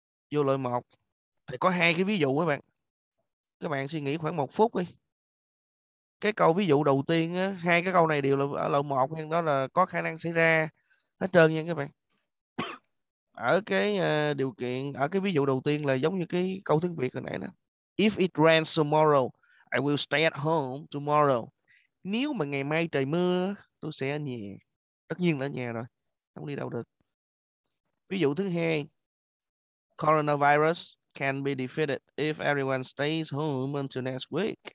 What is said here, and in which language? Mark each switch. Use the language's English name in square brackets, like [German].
[Vietnamese] Vô loại 1 thì có hai cái ví dụ các bạn. Các bạn suy nghĩ khoảng 1 phút đi. Cái câu ví dụ đầu tiên á, hai cái câu này đều là ở loại 1 nên đó là có khả năng xảy ra hết trơn nha các bạn. Ở cái điều kiện ở cái ví dụ đầu tiên là giống như cái câu tiếng Việt hồi nãy đó. [English] If it rains tomorrow, I will stay at home tomorrow. [Vietnamese] Nếu mà ngày mai trời mưa, tôi sẽ ở nhà. Tất nhiên là ở nhà rồi, không đi đâu được. Ví dụ thứ hai. [English] Coronavirus can be defeated if everyone stays home until next week.